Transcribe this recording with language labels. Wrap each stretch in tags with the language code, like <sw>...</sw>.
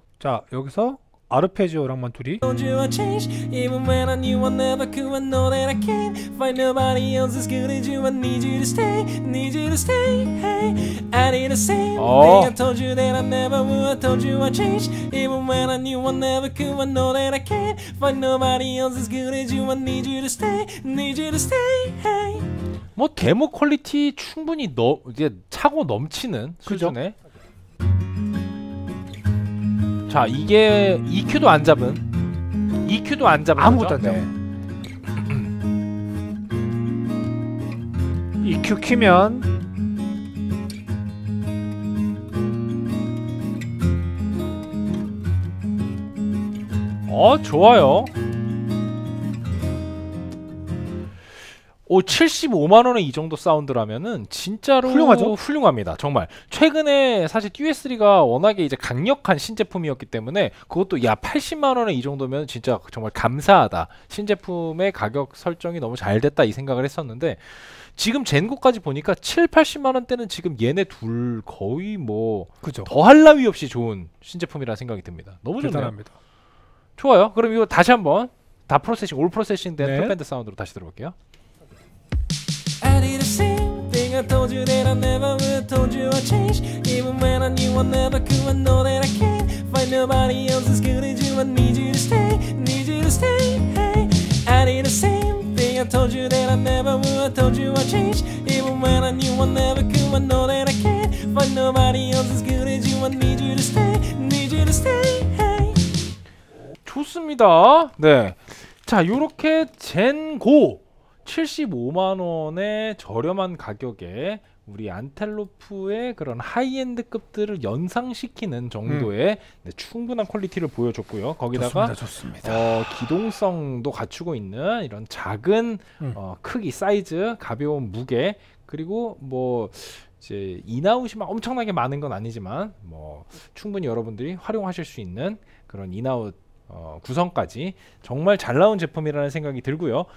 <ko>자 여기서 아르페지오랑만 둘이</ko> <en>Told you I'd change Even when I knew I never could I know that I can't Find nobody else as good as you I need you to stay Need you to stay hey, I need the same thing I told you that I never would I told you I'd change Even when I knew I never could I know that I can't Find nobody else as good as you I need you to stay Need you to stay hey.</en> <ko>뭐 데모 퀄리티 충분히 이제 차고 넘치는 그죠? 수준에 자 이게 EQ도 안 잡은 EQ도 안 잡은 아무것도 안 잡은 EQ 키면 좋아요. 75만원에 이 정도 사운드라면은 진짜로 훌륭하죠? 훌륭합니다. 정말 최근에 사실 듀엣3가 워낙에 이제 강력한 신제품이었기 때문에 그것도 야 80만원에 이 정도면 진짜 정말 감사하다, 신제품의 가격 설정이 너무 잘 됐다 이 생각을 했었는데 지금 젠고까지 보니까 70-80만원대는 지금 얘네 둘 거의 뭐 그죠. 더할 나위 없이 좋은 신제품이라는 생각이 듭니다. 너무 좋네요. 대단합니다. 좋아요. 그럼 이거 다시 한번 다 프로세싱 올 프로세싱 된 톱밴드 네. 사운드로 다시 들어볼게요.</ko> <en>I did the same thing I told you that I never would told you I'd change Even when I knew I never could I know that I can't Find nobody else as good as you I need you to stay, hey I did the same thing I told you that I never would told you I'd change Even when I knew I never could I know that I can't Find nobody else as good as you I need you to stay, hey</en> <ko>좋습니다. 네. 자 요렇게 젠고 75만원의 저렴한 가격에 우리 안텔로프의 그런 하이엔드급들을 연상시키는 정도의 네, 충분한 퀄리티를 보여줬고요. 거기다가 좋습니다. 기동성도 갖추고 있는 이런 작은 크기, 사이즈, 가벼운 무게, 그리고 뭐 이제 인아웃이 막 엄청나게 많은 건 아니지만 뭐 충분히 여러분들이 활용하실 수 있는 그런 인아웃 구성까지 정말 잘 나온 제품이라는 생각이 들고요.</ko>